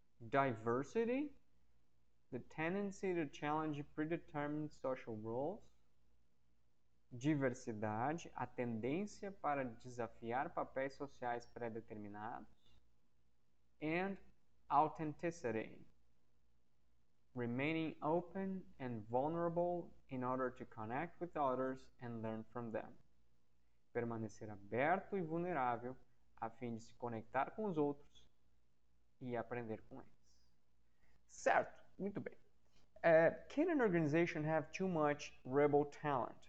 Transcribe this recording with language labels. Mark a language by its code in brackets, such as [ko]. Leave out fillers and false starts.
[en] Diversity, the tendency to challenge predetermined social roles. [pt] Diversidade, a tendência para desafiar papéis sociais pré-determinados. [en] And authenticity, remaining open and vulnerable in order to connect with others and learn from them. [pt] Permanecer aberto e vulnerável a fim de se conectar com os outros e aprender com eles. Certo, muito bem. [en] Can an organization have too much rebel talent?